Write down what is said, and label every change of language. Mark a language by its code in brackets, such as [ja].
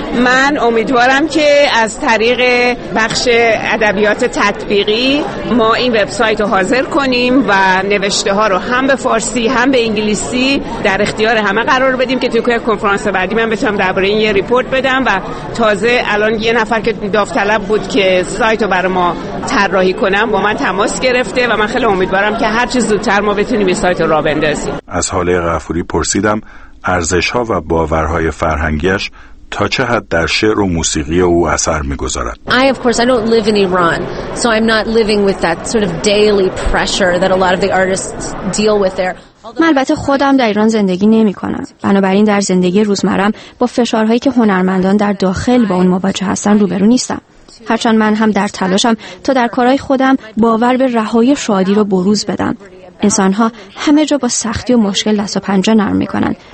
[fa] من امیدوارم که از طریق بخش ادبیات تطبیقی ما این وبسایت رو حاضر کنیم و نوشته ها رو هم به فارسی هم به انگلیسی در اختیار همه قرار بدیم که توی کنفرانس بعدی من بتونم درباره این یه ریپورت بدم. و تازه الان یه نفر که داوطلب بود که سایت رو برای ما طراحی کنم با من تماس گرفته و من خیلی امیدوارم که هر چه زودتر ما بتونیم این سایت رو راه بندازیم. از حاله غفوری پرسیدم ارزش‌ها و باورهای فرهنگیش تا چه حد در شعر و موسیقی او اثر می‌گذارد. [en] I of course I don't live in Iran, so I'm not living with that sort of daily pressure that a lot of the artists deal with there. [fa] من البته خودم در ایران زندگی نمی کنم، بنابراین در زندگی روزمرم با فشارهایی که هنرمندان در داخل با اون مواجه هستن روبرو نیستم. هرچند من هم در تلاشم تا در کارهای خودم باور به رهایی شادی رو بروز بدم. انسانها همه جا با سختی و مشکل دست و پنجه نرم می کنن.